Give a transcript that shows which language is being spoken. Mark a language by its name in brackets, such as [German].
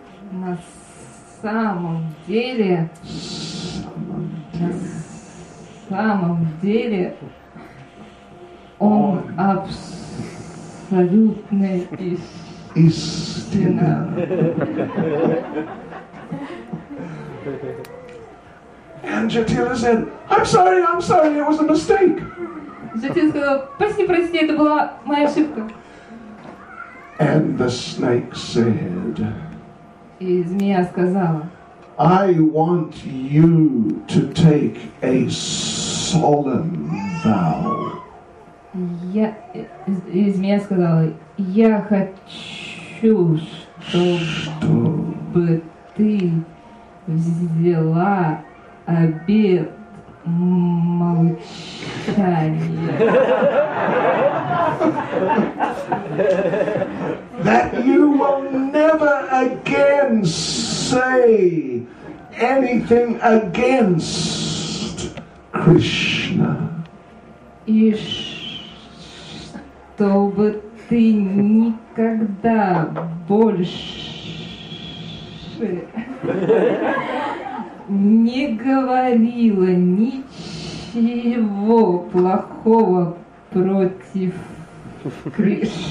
[Russian] На самом деле, он абсолютная истина. [English] And Jatila said, I'm sorry, it was a mistake. [Russian] Jatila сказала, прости, это была моя ошибка. [English] And the snake said, [Russian] и змея сказала, [English] I want you to take a solemn vow. [Russian] И змея сказала, я хочу, чтобы ты взяла обет молчания. [English] That you will never again say anything against Krishna. [Russian] И чтобы ты никогда больше не говорила ничего плохого против Кришны.